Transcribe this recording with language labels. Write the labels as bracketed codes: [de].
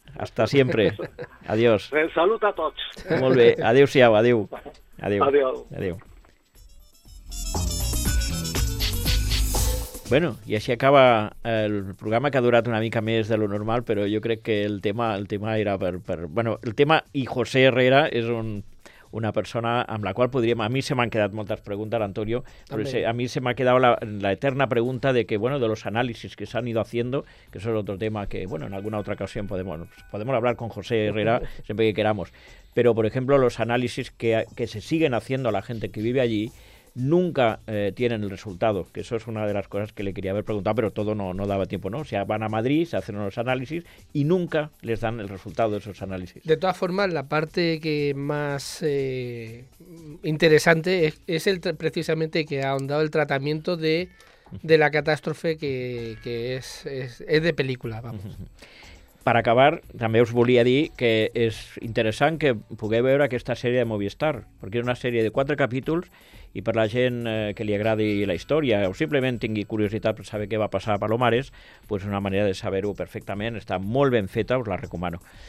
[es] Hasta siempre. Adiós. Salud a todos. Muy bien. Adiós, Siao. Adiós. Adiós. Adiós. Adiós. Bueno, y así acaba el programa, que ha durado [ca] una mica més [es] de lo normal, pero yo creo que el tema era per... Bueno, el tema, y José Herrera es una persona [ca] amb la qual podríem... A mi se m'han quedat moltes preguntes, Antonio, però a mi se m'ha quedat la eterna pregunta [es] de que, bueno, de los análisis que s'han ido haciendo, que eso es otro tema que, bueno, en alguna otra ocasión podemos hablar con José Herrera siempre que queramos. Pero, por ejemplo, los análisis que se siguen haciendo a la gente que vive allí nunca tienen el resultado, que eso es una de las cosas que le quería haber preguntado, pero todo no daba tiempo, ¿no? O sea, van a Madrid, se hacen unos análisis y nunca les dan el resultado de esos análisis. De todas formas, la parte que más interesante es el precisamente que ha ahondado el tratamiento de la catástrofe, que es de película, vamos. [ca] Per acabar, també us volia dir que és interessant que pugueu veure aquesta sèrie de Movistar, perquè és una sèrie de 4 capítols, i per la gent que li agradi la història o simplement tingui curiositat per saber què va passar a Palomares, pues una manera de saber-ho perfectament, està molt ben feta, us la recomano.